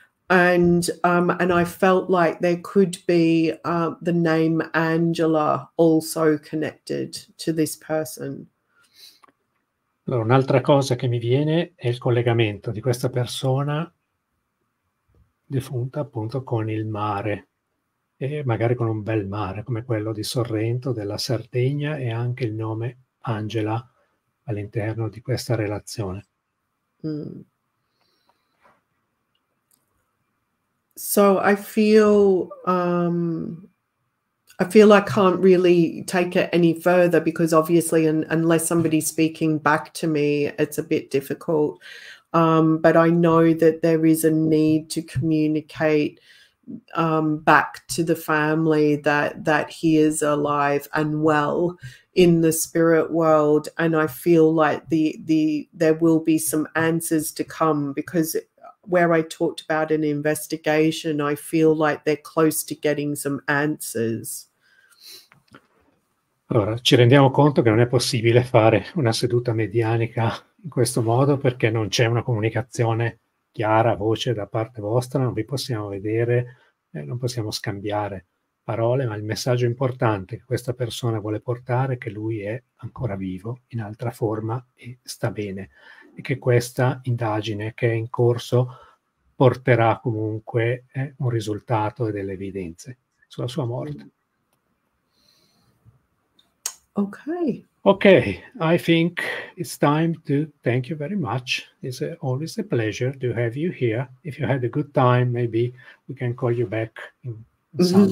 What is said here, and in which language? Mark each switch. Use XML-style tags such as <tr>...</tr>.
<en>And I felt like there could be the name Angela also connected to this person.</en> <it>Allora, un'altra cosa che mi viene è il collegamento di questa persona defunta appunto con il mare, e magari con un bel mare come quello di Sorrento, della Sardegna, e anche il nome Angela all'interno di questa relazione. Mm.</it> <en>So I feel I can't really take it any further, because obviously unless somebody's speaking back to me, it's a bit difficult. But I know that there is a need to communicate back to the family that he is alive and well in the spirit world. And I feel like there will be some answers to come, because where I talked about an investigation, I feel like they're close to getting some answers.</en> <it>Allora, ci rendiamo conto che non è possibile fare una seduta medianica in questo modo perché non c'è una comunicazione chiara, voce da parte vostra, non vi possiamo vedere, non possiamo scambiare parole, ma il messaggio importante che questa persona vuole portare è che lui è ancora vivo, in altra forma e sta bene, e che questa indagine che è in corso porterà comunque un risultato e delle evidenze sulla sua morte.</it> <en>Okay. Okay, I think it's time to thank you very much. It's always a pleasure to have you here. If you had a good time, maybe we can call you back in some</en>